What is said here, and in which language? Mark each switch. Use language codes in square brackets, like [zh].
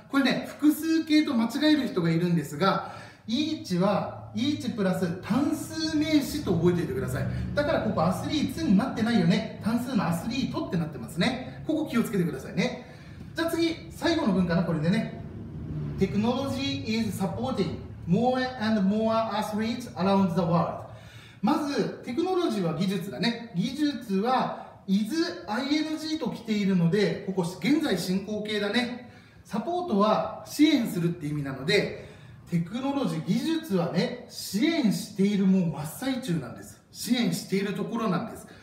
[ja] これね、複数形と間違える人がいるんですが、 each は each プラス単数名詞と覚えておいてください。だからここアスリートになってないよね、単数のアスリートってなってますね、ここ気をつけてくださいね。じゃあ次、最後の文かな、これでね。 [en] Technology is supporting more and more athletes around the world。 [ja] まずテクノロジーは技術だね、技術は is ing と来ているので、ここ現在進行形だね。サポートは支援するって意味なので、テクノロジー、技術はね、支援しているもう真っ最中なんです、支援しているところなんです。